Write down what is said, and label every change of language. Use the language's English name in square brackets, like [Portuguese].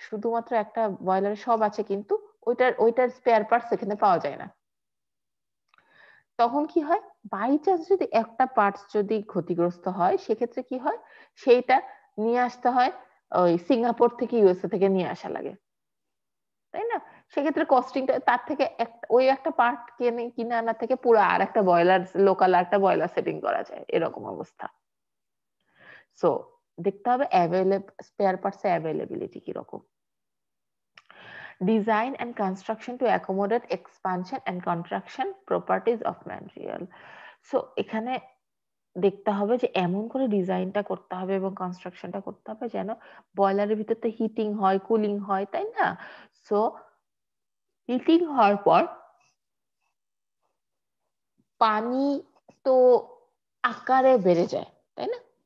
[Bangla] শুধুমাত্র একটা বয়লারে সব আছে, কিন্তু ওইটার ওইটার স্পেয়ার পার্টস সেখানে পাওয়া যায় না, তখন কি হয়, বাই চান্স যদি একটা পার্ট যদি ক্ষতিগ্রস্ত হয়, সেক্ষেত্রে কি হয়, সেইটা নিয়ে আসতে হয় ওই সিঙ্গাপুর থেকে, ইউএসএ থেকে নিয়ে আসা লাগে, তাই না? সেক্ষেত্রে কস্টিংটা তার থেকে ওই একটা পার্ট কিনে কিনে আনা থেকে পুরো আর একটা বয়লার, লোকাল একটা বয়লার সেটিং করা যায়, এরকম অবস্থা। সো দেখতে হবে অ্যাভেলেবল স্পেয়ার পার্টস অ্যাভেলেবিলিটি কিরকম। [English] Design and construction to accommodate expansion and contraction properties of material. [Bangla] So, এখানে দেখতে হবে যে এমন করে ডিজাইনটা করতে হবে এবং কনস্ট্রাকশনটা করতে হবে যেন বয়লারের ভিতর তো হিটিং হয়, কুলিং হয়, তাই না? সো হিটিং হওয়ার পর পানি তো আকারে বেড়ে যায়, তাই না?